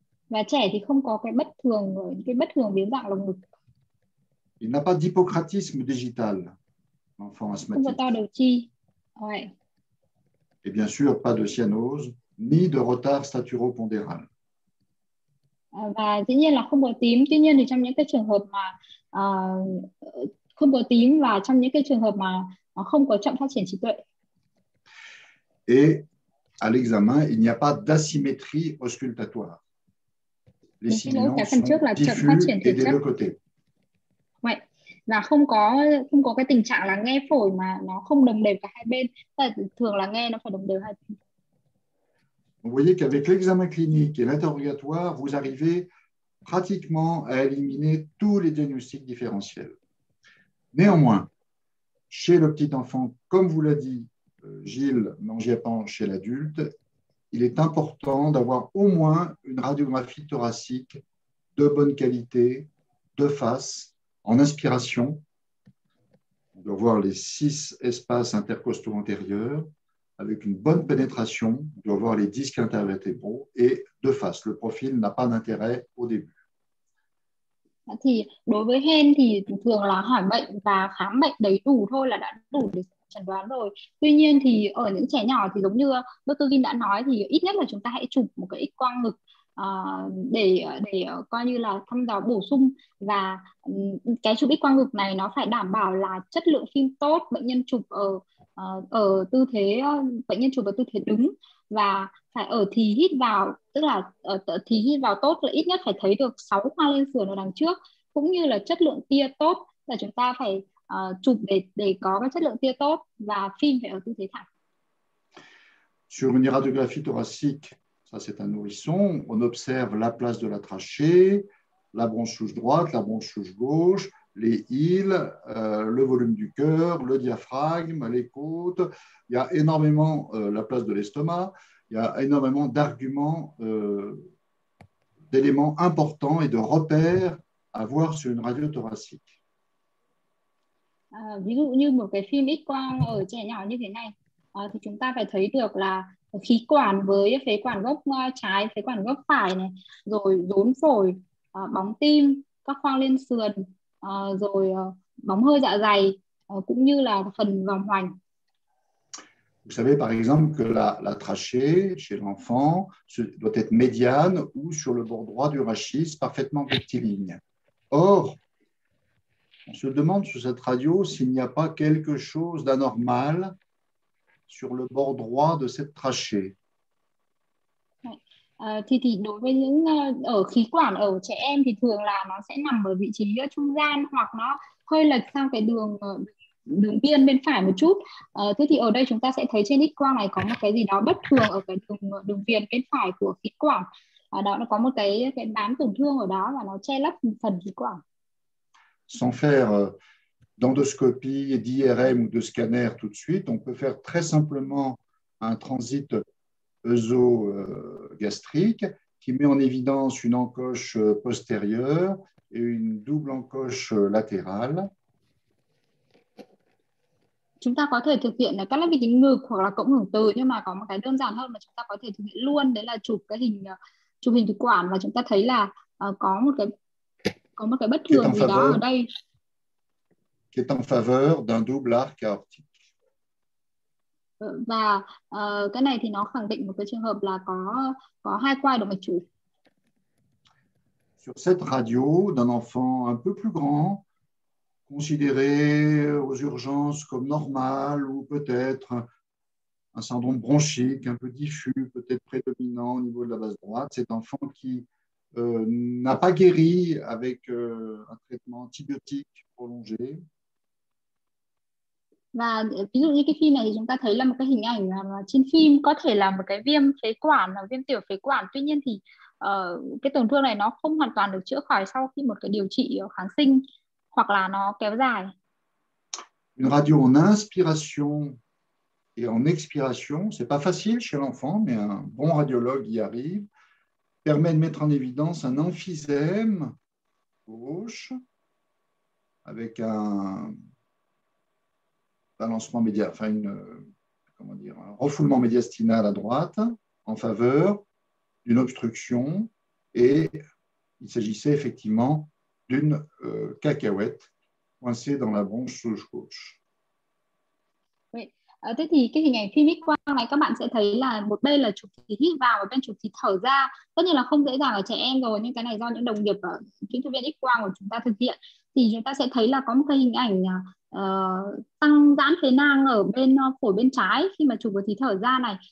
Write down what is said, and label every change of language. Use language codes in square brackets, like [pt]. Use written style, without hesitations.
[vi] Và trẻ thì không có cái bất thường biến dạng lồng ngực. [fr] Il n'a pas d'hypocratisme digital, l'enfant asthmatique. [vi] Không có to đầu chi. Ouais. [fr] Et bien sûr, pas de cyanose, ni de retard staturopondéral. [vi] Và dĩ nhiên là không có tím. Tuy nhiên thì trong những cái trường hợp mà không có tím và trong những cái trường hợp mà không có chậm phát triển trí tuệ. [fr] Et à l'examen, il n'y a pas d'asymétrie auscultatoire. Les signaux sont diffus et des deux côtés. Ouais. [vi] Là không có cái tình trạng là nghe phổi mà nó không đồng đều cả hai bên, thường là nghe nó phải đồng đều hai bên. [fr] Vous voyez qu'avec l'examen clinique et l'interrogatoire, vous arrivez pratiquement à éliminer tous les diagnostics différentiels. Néanmoins, chez le petit enfant, comme vous l'a dit Gilles Mangiapane, chez l'adulte, il est important d'avoir au moins une radiographie thoracique de bonne qualité de face, en inspiration. On doit voir les six espaces intercostaux antérieurs. Avec une bonne pénétration, on doit voir les disques intervertébraux et de face. Le profil n'a pas d'intérêt au début. [vi] Thì đối với hen thì thường là hỏi bệnh và khám bệnh đầy đủ thôi là đã đủ để chẩn đoán rồi. Tuy nhiên thì ở những trẻ nhỏ thì giống như Dr. Vin đã nói thì ít nhất là chúng ta hãy chụp một cái x-quang ngực để coi như là thăm dò bổ sung. Và cái chụp x-quang ngực này nó phải đảm bảo là chất lượng phim tốt, bệnh nhân chụp ở tư thế bệnh nhân chụp ở tư thế đứng và phải ở thì hít vào, tức là ở thì hít vào tốt là ít nhất phải thấy được 6 hoa lên sườn ở đằng trước, cũng như là chất lượng tia tốt là chúng ta phải chụp để có cái chất lượng tia tốt và phim phải ở tư thế thẳng. [fr] Sur une radiographie thoracique, ça c'est un nourrisson, on observe la place de la trachée, la branche droite, la branche gauche, les hiles, le volume du cœur, le diaphragme, les côtes, il y a énormément la place de l'estomac, il y a énormément d'arguments, d'éléments importants et de repères à voir sur une radio thoracique. [vi] Ví dụ như một cái phim x-quang ở trẻ nhỏ như thế này, thì chúng ta phải thấy được là khí quản với phế quản gốc trái, phế quản gốc phải này, rồi rốn phổi, bóng tim, các khoang lên sườn, rồi bóng hơi dạ dày, cũng như là phần vòng hoành. [fr] Vous savez par exemple que la trachée chez l'enfant doit être médiane ou sur le bord droit du rachis, parfaitement rectiligne. Or, on se demande sur cette radio s'il n'y a pas quelque chose d'anormal sur le bord droit de cette trachée. [vi] Thì đối với những ở khí quản ở trẻ em thì thường là nó sẽ nằm ở vị trí trung gian hoặc nó hơi lệch sang cái đường đường biên bên phải một chút. Thế thì ở đây chúng ta sẽ thấy trên x-quang này có một cái gì đó bất thường ở cái đường đường biên bên phải của khí quản. Đó nó có một cái bám tổn thương ở đó và nó che lấp một phần khí quản. [fr] Sans faire d'endoscopie, d'IRM ou de scanner tout de suite, on peut faire très simplement un transit œso-gastrique qui met en évidence une encoche postérieure et une double encoche latérale. [vi] Chúng ta có thể thực hiện là các lớp vi tính ngực hoặc là cộng hưởng từ, nhưng mà có một cái đơn giản hơn mà chúng ta có thể thực hiện luôn, đấy là chụp hình thực quản, và chúng ta thấy là có một cái bất thường gì đó ở đây. [fr] Qui est en faveur d'un double arc aortique. [vi] Và cái này thì nó khẳng định một cái trường hợp là có hai quai động mạch chủ. [fr] Sur cette radio d'un enfant un peu plus grand, considéré aux urgences comme normal ou peut-être un syndrome bronchique un peu diffus, peut-être prédominant au niveau de la base droite. Cet enfant qui n'a pas guéri avec un traitement antibiotique prolongé. [vi] Và ví dụ như cái phim này thì chúng ta thấy là một cái hình ảnh trên phim có thể là một cái viêm phế quản, là viêm tiểu phế quản. Tuy nhiên thì cái tổn thương này nó không hoàn toàn được chữa khỏi sau khi một cái điều trị kháng sinh. Hoặc là nó kéo dài. [fr] Une radio en inspiration et en expiration, c'est pas facile chez l'enfant, mais un bon radiologue y arrive, permet de mettre en évidence un emphysème gauche avec un balancement médial, enfin une, comment dire, un refoulement médiastinal à droite en faveur d'une obstruction, et il s'agissait effectivement d'une cacahuète coincée dans la branche sous-jointe gauche. Oui. [vi] Thế thì cái hình ảnh phim x-quang này các bạn sẽ thấy là một bên là chụp khí hít vào, một bên chụp khí thở ra. Tất nhiên là không dễ dàng ở trẻ em rồi, nhưng cái này do những đồng nghiệp ở kỹ thuật viên x-quang của chúng ta thực hiện. Thì chúng ta sẽ thấy là có một cái hình ảnh tăng giãn phế nang ở bên phổi bên trái khi mà chụp vào khí thở ra này.